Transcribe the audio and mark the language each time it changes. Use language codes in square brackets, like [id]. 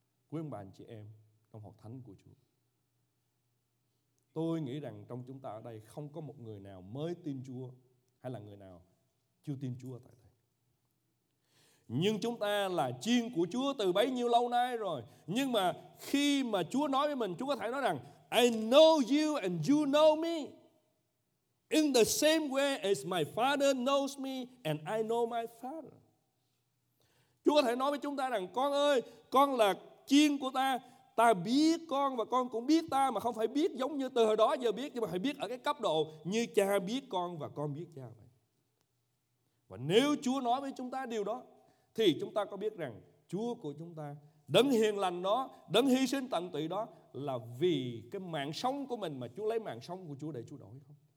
[vi] Quý ông bà anh chị em trong hội thánh của Chúa, tôi nghĩ rằng trong chúng ta ở đây không có một người nào mới tin Chúa hay là người nào chưa tin Chúa tại đây. Nhưng chúng ta là chiên của Chúa từ bấy nhiêu lâu nay rồi. Nhưng mà khi mà Chúa nói với mình, Chúa có thể nói rằng [en] I know you and you know me. In the same way as my father knows me and I know my father. [vi] Chúa có thể nói với chúng ta rằng con ơi, con là chiên của ta. Ta biết con và con cũng biết ta, mà không phải biết giống như từ hồi đó giờ biết, nhưng mà phải biết ở cái cấp độ như cha biết con và con biết cha vậy. Và nếu Chúa nói với chúng ta điều đó, thì chúng ta có biết rằng Chúa của chúng ta, đấng hiền lành đó, đấng hy sinh tận tụy đó, là vì cái mạng sống của mình mà Chúa lấy mạng sống của Chúa để Chúa đổi không?